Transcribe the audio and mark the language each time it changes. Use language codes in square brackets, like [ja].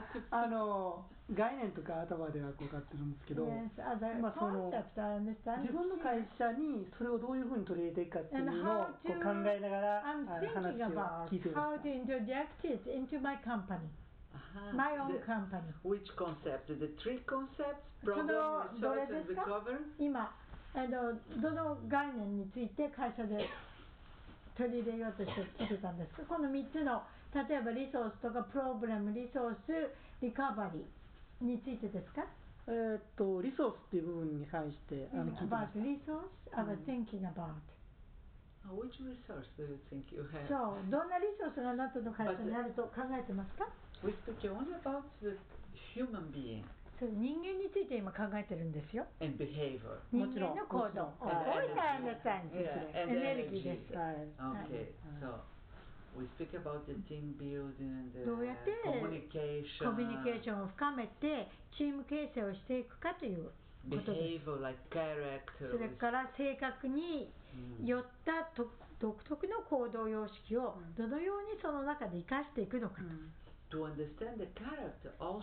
[ja] あの概念とか頭では分かってるんですけど、まあ、その自分の会社にそれをどういうふうに取り入れていくかっていうのをこう考えながら話を聞いてください。 [en] How to interject it into my company, my own company. Which concept? The three concepts? Problem, resource, and recovery? [ja] 今あのどの概念について会社で取り入れようとしてたんですか。この3つの例えばリソースとかプロブレム、リソース、リカバリーについてですか。リソースっていう部分に関して、あの聞いてました。 [en] About resource, about thinking about. Which resource do you think you have? [ja] そう、どんなリソースがあなたの会社にあると考えてますか。 [en] We speak only about the human being. [ja] 人間について今考えてるんですよ。 [en] And behavior. [ja] 人間の行動。もちろん。オイタアンドサインです。エネルギーです。はい。 [en] Okay. So, we speak about the team building and the [ja] どうやってコミュニケーションを深めてチーム形成をしていくかということです。 [en] Behavior, like character. [ja] それから性格によった独特の行動様式をどのようにその中で生かしていくのかと。 [en] To understand the character also